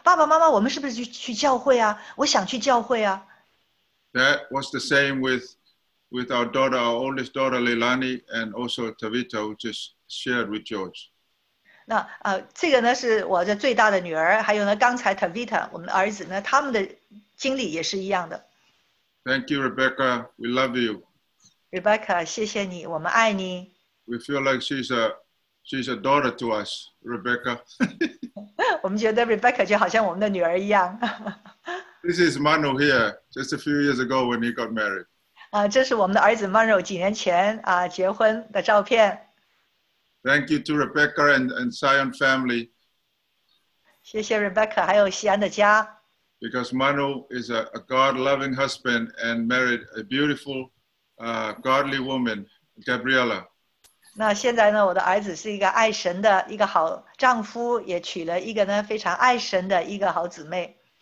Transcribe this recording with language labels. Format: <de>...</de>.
<zh>他那不再是呢讨厌去教会，乃是每周主日就说：“爸爸妈妈，我们是不是去教会啊？我想去教会啊。”</zh> <en>That was the same with our daughter, our oldest daughter Leilani, and also Tavita, who just shared with George.</en> <zh>那这个呢是我的最大的女儿，还有呢刚才 Tavita 我们儿子呢，他们的经历也是一样的。</zh> <en>Thank you, Rebecca. We love you.</en> <zh>Rebecca, 谢谢你，我们爱你。</zh> <en>We feel like she's a daughter to us, Rebecca.</en> <zh>我们觉得Rebecca就好像我们的女儿一样。</zh> <en>This is Manu here, just a few years ago when he got married.</en> <zh>这是我们的儿子曼柔几年前结婚的照片。</zh> <en>Thank you to Rebecca and Sion family.</en> <zh>谢谢 Rebecca 还有西安的家。</zh> <en>Because Manu is a God-loving husband and married a beautiful, godly woman, Gabriella.</en> <zh>那现在呢，我的儿子是一个爱神的一个好丈夫，也娶了一个呢非常爱神的一个好姊妹。</zh>